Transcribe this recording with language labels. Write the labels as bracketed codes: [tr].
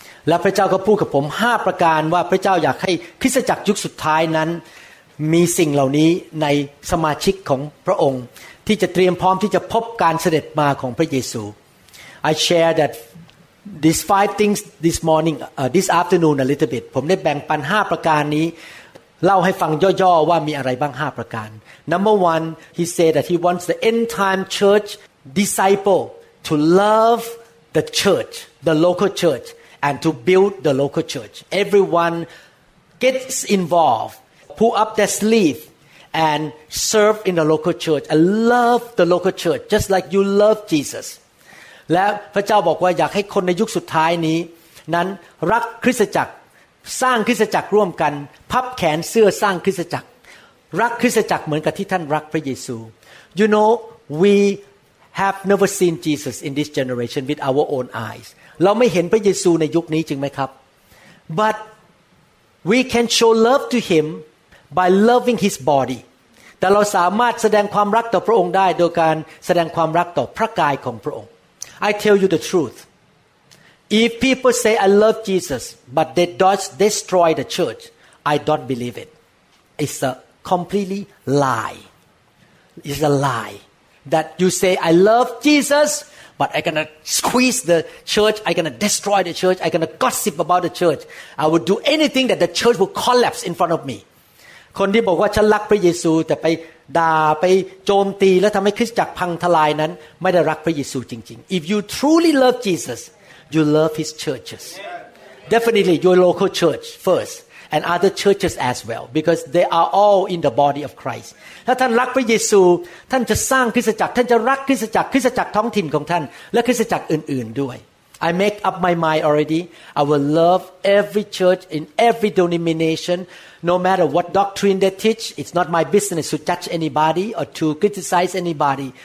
[th] และพระเจ้าก็พูดกับผม5ประการว่าพระเจ้าอยากให้คริสตจักรยุคสุดท้ายนั้นมีสิ่งเหล่านี้ในสมาชิกของพระองค์ที่จะเตรียมพร้อมที่จะพบการเสด็จมาของพระเยซู [en] I share thatThese five things this morning, this afternoon a little bit. [th] ผมได้แบ่งปัน5ประการนี้เล่าให้ฟังย่อๆว่ามีอะไรบ้าง5ประการ [en] Number one, he said that he wants the end time church disciple to love the church, the local church, and to build the local church. Everyone gets involved, pull up their sleeve, and serve in the local church, and love the local church, just like you love Jesus. [th] และพระเจ้าบอกว่าอยากให้คนในยุคสุดท้ายนี้นั้นรักคริสตจักรสร้างคริสตจักรร่วมกันพับแขนเสื้อสร้างคริสตจักรรักคริสตจักรเหมือนกับที่ท่านรักพระเยซู [en] You know we have never seen Jesus in this generation with our own eyes [th] เราไม่เห็นพระเยซูในยุคนี้จริงไหมครับ [en] But we can show love to him by loving his body [th] แต่เราสามารถแสดงความรักต่อพระองค์ได้โดยการแสดงความรักต่อพระกายของพระองค์ [en] I tell you the truth. If people say I love Jesus, but they don't destroy the church, I don't believe it. It's a completely lie. It's a lie that you say I love Jesus, but I'm gonna squeeze the church. I'm gonna destroy the church. I'm gonna gossip about the church. I would do anything that the church will collapse in front of me. [th] คนที่บอกว่าฉันรักพระเยซูแต่ไปด่าไปโจมตีแล้วทำให้คริสตจักรพังทลายนั้นไม่ได้รักพระเยซูจริงๆ [en] If you truly love Jesus you love his churches definitely your local church first and other churches as well because they are all in the body of Christ [th] ถ้าท่านรักพระเยซูท่านจะสร้างคริสตจักรท่านจะรักคริสตจักรคริสตจักรท้องถิ่นของท่านและคริสตจักรอื่นๆด้วย [en] I make up my mind already I will love every church in every denominationNo matter what doctrine they teach, it's not my business to judge anybody or to criticize anybody.